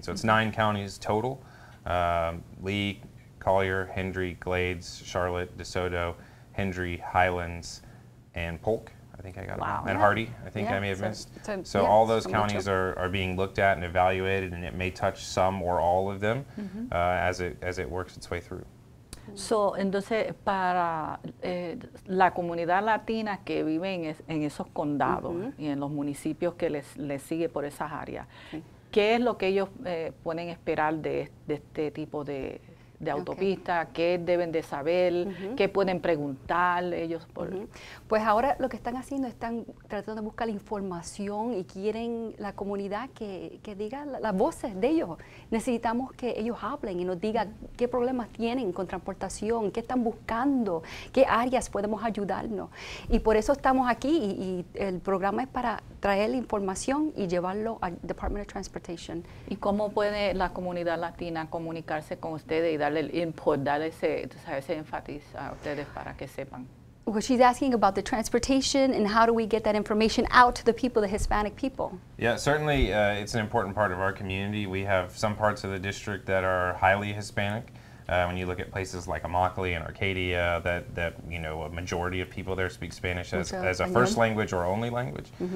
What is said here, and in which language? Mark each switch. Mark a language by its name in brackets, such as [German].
[English] So it's nine counties total. Lee, Collier, Hendry, Glades, Charlotte, DeSoto, Hendry, Highlands, and Polk. I think I got them. Wow. And Hardy, I think I may have missed. So all those counties are being looked at and evaluated, and it may touch some or all of them as it works its way through. [Spanish] So, entonces, para la comunidad latina que vive en esos condados y en los municipios que les sigue por esas áreas, ¿qué es lo que ellos pueden esperar de este tipo de autopista? Okay. ¿Qué deben de saber? ¿Qué pueden preguntar ellos? Por? Pues ahora lo que están haciendo, están tratando de buscar la información y quieren la comunidad que diga las voces de ellos. Necesitamos que ellos hablen y nos digan qué problemas tienen con transportación, qué están buscando, qué áreas podemos ayudarnos. Y por eso estamos aquí y el programa es para traer la información y llevarlo al Department of Transportation. ¿Y cómo puede la comunidad latina comunicarse con ustedes y darle el input, darle ese énfasis a ustedes para que sepan? [English] Well, she's asking about the transportation and how do we get that information out to the people, the Hispanic people. Yeah, certainly it's an important part of our community. We have some parts of the district that are highly Hispanic. When you look at places like Immokalee and Arcadia, that you know, a majority of people there speak Spanish as a first language or only language.